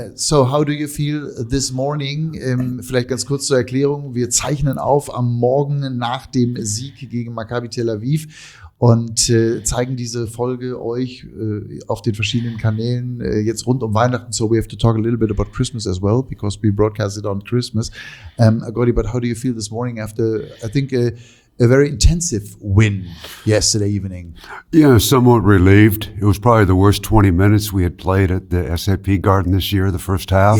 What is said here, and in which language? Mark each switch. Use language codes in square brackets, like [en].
[en] So how do you feel this morning? [de] Vielleicht ganz kurz zur Erklärung. Wir zeichnen auf am Morgen nach dem Sieg gegen Maccabi Tel Aviv und zeigen diese Folge euch auf den verschiedenen Kanälen jetzt rund um Weihnachten. [en] So we have to talk a little bit about Christmas as well, because we broadcast it on Christmas. Gordy, but how do you feel this morning after, I think, a very intensive win yesterday evening? Yeah, somewhat relieved. It was probably the worst 20 minutes we had played at the SAP Garden this year, the first half.